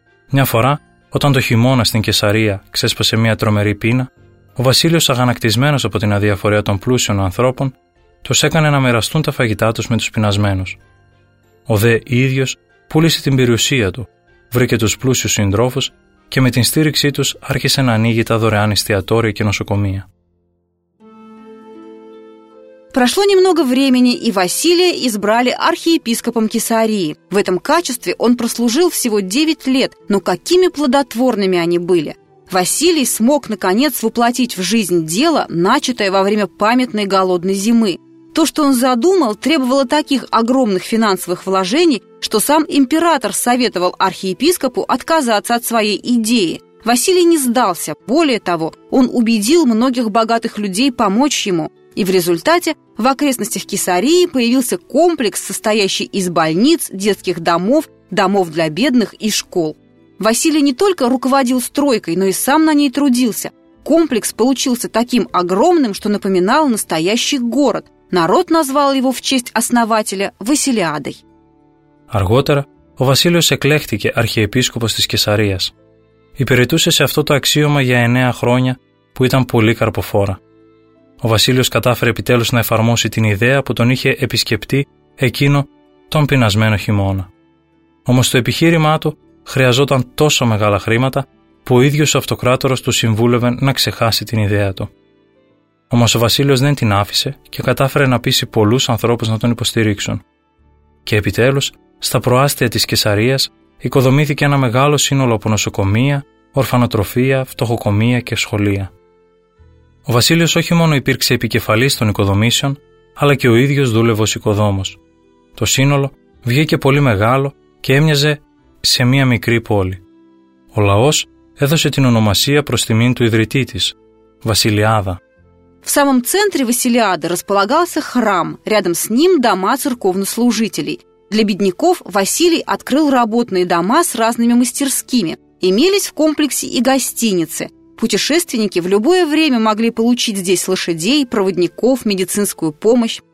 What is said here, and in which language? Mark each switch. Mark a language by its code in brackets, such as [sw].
[el] Μια φορά, όταν το χειμώνα στην Κεσαρία ξέσπασε μια τρομερή πείνα, ο Βασίλειος, αγανακτισμένος από την αδιαφορία των πλούσιων ανθρώπων, τους έκανε να μοιραστούν τα φαγητά τους με τους πεινασμένους. Ο δε ίδιος πούλησε την περιουσία του, βρήκε τους πλούσιους συντρόφους και με την στήριξή τους άρχισε να ανοίγει τα δωρεάν εστιατόρια και νοσοκομεία. [ru] Прошло немного времени, и Василия избрали архиепископом Кесарии. В этом качестве он прослужил всего 9 лет, но какими плодотворными они были. Василий смог, наконец, воплотить в жизнь дело, начатое во время памятной голодной зимы. То, что он задумал, требовало таких огромных финансовых вложений, что сам император советовал архиепископу отказаться от своей идеи. Василий не сдался. Более того, он убедил многих богатых людей помочь ему. И в результате в окрестностях Кесарии появился комплекс, состоящий из больниц, детских домов, домов для бедных и школ. Василий не только руководил стройкой, но и сам на ней трудился. Комплекс получился таким огромным, что напоминал настоящий город. Народ назвал его в честь основателя Василиадой. [el] Αργότερα, ο Βασίλειος εκλέχθηκε αρχιεπίσκοπος της Κεσαρίας. Υπηρετούσε σε αυτό το αξίωμα για 9 χρόνια, που ήταν πολύ καρποφόρα. Ο Βασίλειος κατάφερε επιτέλους να εφαρμόσει την ιδέα που τον είχε επισκεπτεί εκείνο τον πεινασμένο χειμώνα. Όμως το επιχείρημά του χρειαζόταν τόσο μεγάλα χρήματα που ο ίδιος ο αυτοκράτορος του συμβούλευε να ξεχάσει την ιδέα του. Όμως ο Βασίλειος δεν την άφησε και κατάφερε να πείσει πολλούς ανθρώπους να τον υποστηρίξουν. Και επιτέλους, στα προάστια της Κεσαρίας οικοδομήθηκε ένα μεγάλο σύνολο από νοσοκομεία, ορφανοτροφία, φτωχοκομεία και σχολεία. Ο Βασίλειος όχι μόνο υπήρξε επικεφαλής των οικοδομήσεων, αλλά και ο ίδιος δούλευε ως οικοδόμος. Το σύνολο βγήκε πολύ μεγάλο και έμοιαζε σε μία μικρή πόλη. Ο λαός έδωσε την ονομασία προς τιμήν του ιδρυτή της, Βασιλιάδα. [ru] В самом центре Василиады располагался храм, рядом с ним дома церковнослужителей. Для бедняков Василий открыл работные дома с разными мастерскими. Имелись в комплексе и гостиницы. Путешественники в любое время могли получить здесь лошадей, проводников, медицинскую помощь.